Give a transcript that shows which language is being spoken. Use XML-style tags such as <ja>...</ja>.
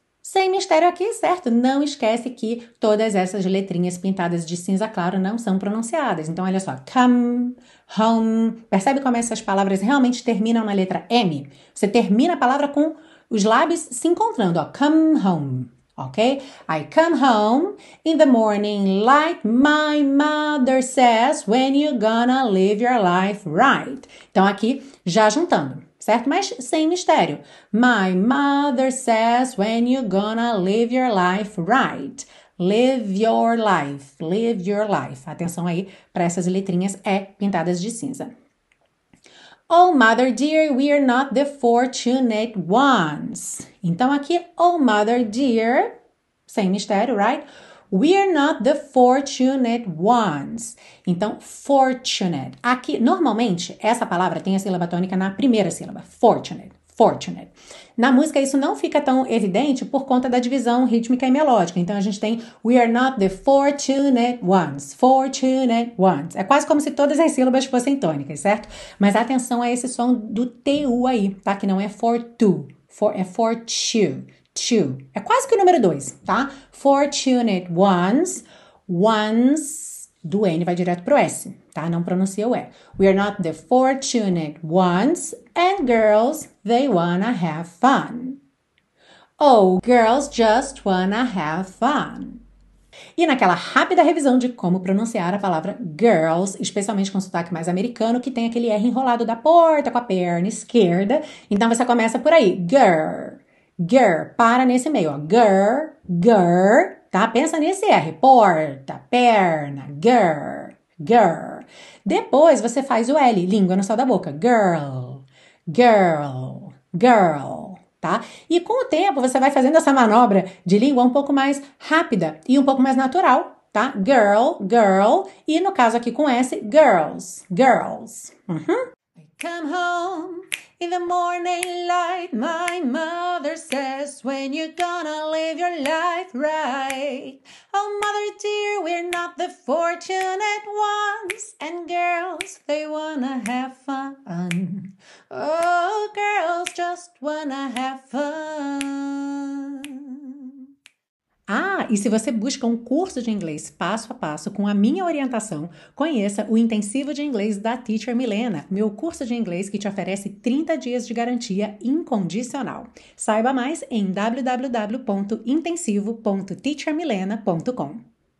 <pt>Sem mistério aqui, certo? Não esquece que todas essas letrinhas pintadas de cinza claro não são pronunciadas. Então, olha só.</pt> <en>Come, home.</en> <pt>Percebe como essas palavras realmente terminam na letra M? Você termina a palavra com os lábios se encontrando, ó,</pt> <en>come home,</en> <pt>ok?</pt> <en>I come home in the morning light, my mother says, when you gonna live your life right.</en> <pt>Então, aqui, já juntando, certo? Mas sem mistério.</pt> <en>My mother says, when you gonna live your life right. Live your life, live your life.</en> <pt>Atenção aí para essas letrinhas E pintadas de cinza.</pt> <en>Oh, mother dear, we are not the fortunate ones.</en> <pt>Então, aqui,</pt> <en>oh, mother dear,</en> <pt>sem mistério,</pt> <en>right? We are not the fortunate ones.</en> <pt>Então, fortunate. Aqui, normalmente, essa palavra tem a sílaba tônica na primeira sílaba. Fortunate, fortunate. Na música, isso não fica tão evidente por conta da divisão rítmica e melódica. Então, a gente tem</pt> <en>we are not the fortunate ones.</en> <pt>É quase como se todas as sílabas fossem tônicas, certo? Mas atenção a esse som do TU aí, tá? Que não é for tu, for, é for tu, tu. É quase que o número 2, tá? Fortunate ones, ones, do N vai direto pro S, tá? Não pronuncia o E.</pt> <en>We are not the fortunate ones, and girls, they wanna have fun. Oh, girls just wanna have fun.</en> <pt>E naquela rápida revisão de como pronunciar a palavra girls, especialmente com sotaque mais americano, que tem aquele R enrolado da porta com a perna esquerda. Então, você começa por aí. Girl, girl, para nesse meio, ó. Girl, girl. Tá? Pensa nesse R, porta, perna, girl, girl. Depois você faz o L, língua no céu da boca, girl, girl, girl, tá? E com o tempo você vai fazendo essa manobra de língua um pouco mais rápida e um pouco mais natural, tá? Girl, girl, e no caso aqui com S, girls, girls.</pt> <en>I come home in the morning light, my mother says, when you gonna live your life right? Oh, mother dear, we're not the fortunate ones, and girls, they wanna have fun. Oh, girls just wanna have fun.</en> <pt>Ah, e se você busca um curso de inglês passo a passo com a minha orientação, conheça o Intensivo de Inglês da Teacher Milena, meu curso de inglês que te oferece 30 dias de garantia incondicional. Saiba mais em www.intensivo.teachermilena.com.</pt>